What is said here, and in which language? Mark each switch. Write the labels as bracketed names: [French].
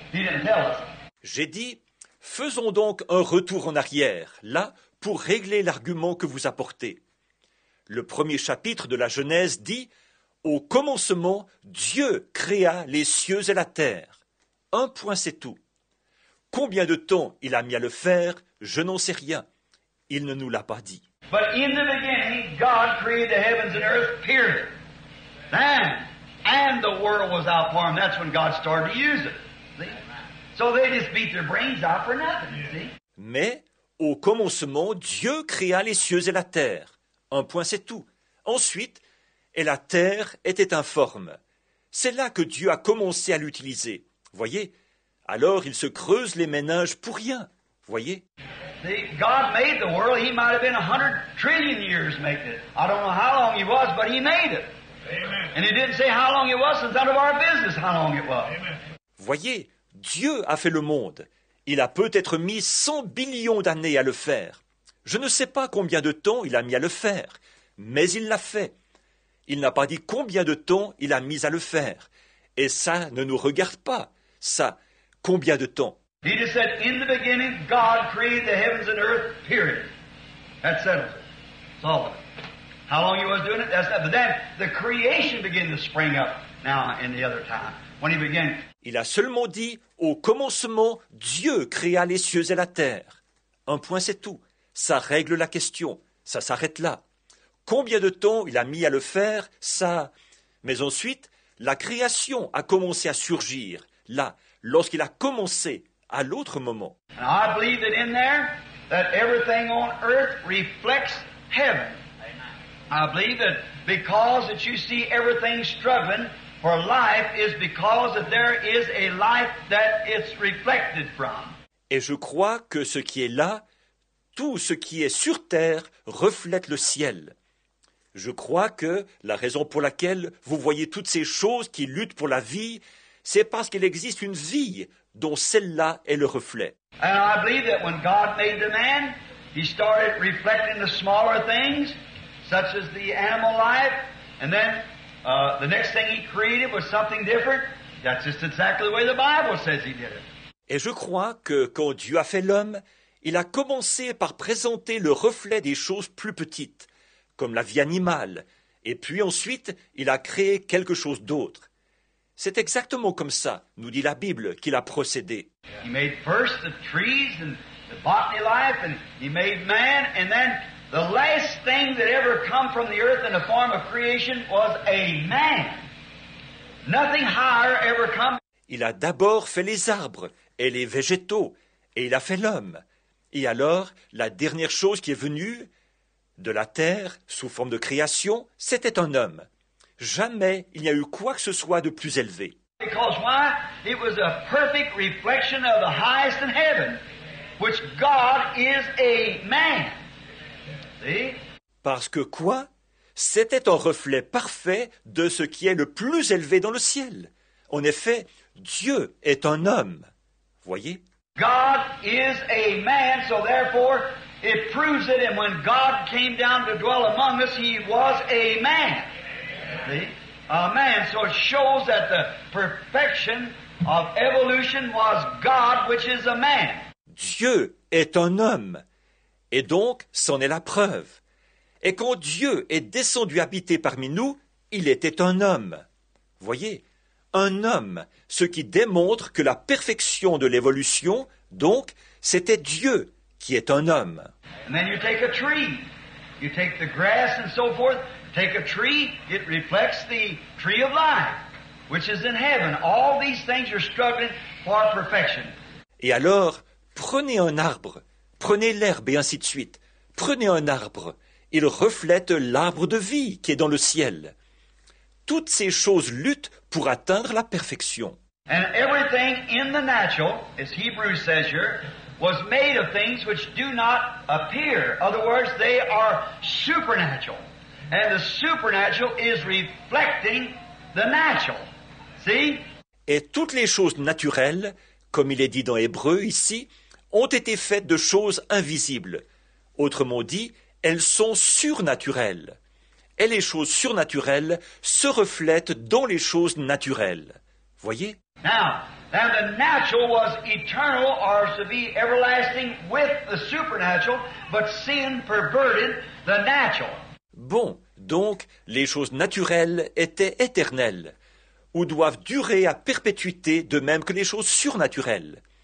[English] He didn't tell us. [French] J'ai dit, faisons donc un retour en arrière, là, pour régler l'argument que vous apportez. Le premier chapitre de la Genèse dit, au commencement, Dieu créa les cieux et la terre. Un point, c'est tout. Combien de temps il a mis à le faire, je n'en sais rien. Il ne nous l'a pas dit. [English] But in the beginning, God created the heavens and earth, period. Then, and the world was out for them. That's when God started to use it. See? So they just beat their brains out for nothing, you see? [French] Mais, au commencement, Dieu créa les cieux et la terre. Un point, c'est tout. Ensuite, et la terre était informe. C'est là que Dieu a commencé à l'utiliser. Voyez, alors il se creuse les méninges pour rien. Voyez. [English] See, God made the world. He might have been 100 trillion years making it. I don't know how long he was, but he made it. Amen. And he didn't say how long it was. It's none of our business how long it was. Amen. [French] Voyez, Dieu a fait le monde. Il a peut-être mis 100 billions d'années à le faire. Je ne sais pas combien de temps il a mis à le faire, mais il l'a fait. Il n'a pas dit combien de temps il a mis à le faire. Et ça ne nous regarde pas. Ça, combien de temps? [English] He just said, in the beginning, God created the heavens and earth, period. That settles it. That's all of it. How long he was doing it? That's that. But then, the creation began to spring up now in the other time. When he began. [French] Il a seulement dit, au commencement, Dieu créa les cieux et la terre. Un point, c'est tout. ça règle la question, ça s'arrête là. Combien de temps il a mis à le faire, ça... Mais ensuite, la création a commencé à surgir, là, lorsqu'il a commencé, à l'autre moment. [English] And I believe that in there, that everything on earth reflects heaven. I believe that because that you see everything struggling for life is because that there is a life that it's reflected from. [French] Et je crois que ce qui est là, tout ce qui est sur terre reflète le ciel. Je crois que la raison pour laquelle vous voyez toutes ces choses qui luttent pour la vie, c'est parce qu'il existe une vie dont celle-là est le reflet. [English] And I believe that when God made the man, he started reflecting the smaller things, such as the animal life, and then the next thing he created was something different. That's just exactly the way the Bible says he did it. [French] Et je crois que quand Dieu a fait l'homme, il a commencé par présenter le reflet des choses plus petites, comme la vie animale, et puis ensuite il a créé quelque chose d'autre. C'est exactement comme ça, nous dit la Bible, qu'il a procédé. [English] He made first the trees and the botany life, and he made man, and then the last thing that ever come from the earth in the form of creation was a man. Nothing higher ever come. [French] Il a d'abord fait les arbres et les végétaux, et il a fait l'homme. Et alors, la dernière chose qui est venue de la terre sous forme de création, c'était un homme. Jamais il n'y a eu quoi que ce soit de plus élevé. [English] Because why? It was a perfect reflection of the highest in heaven, which God is a man. See? [French] Parce que quoi? C'était un reflet parfait de ce qui est le plus élevé dans le ciel. En effet, Dieu est un homme. Voyez? [English] God is a man, so therefore it proves it, and when God came down to dwell among us, he was a man. See? A man. So it shows that the perfection of evolution was God, which is a man. [French] Dieu est un homme. Et donc, c'en est la preuve. Et quand Dieu est descendu habiter parmi nous, il était un homme. Voyez, un homme, ce qui démontre que la perfection de l'évolution, donc, c'était Dieu qui est un homme. [English] And then you take a tree. You take the grass and so forth. Take a tree, it reflects the tree of life, which is in heaven. All these things are struggling for perfection. [French] Et alors, prenez un arbre, prenez l'herbe et ainsi de suite. Prenez un arbre, il reflète l'arbre de vie qui est dans le ciel. Toutes ces choses luttent pour atteindre la perfection. [English] And everything in the natural, as Hebrews says here, was made of things which do not appear. In other words, they are supernatural. And the supernatural is reflecting the natural. See? [French] Et toutes les choses naturelles, comme il est dit dans Hébreu ici, ont été faites de choses invisibles. Autrement dit, elles sont surnaturelles. Et les choses surnaturelles se reflètent dans les choses naturelles. Voyez? [English] Now the natural was eternal or to be everlasting with the supernatural, but sin perverted the natural. [French] Bon, donc, les choses naturelles étaient éternelles, ou doivent durer à perpétuité de même que les choses surnaturelles.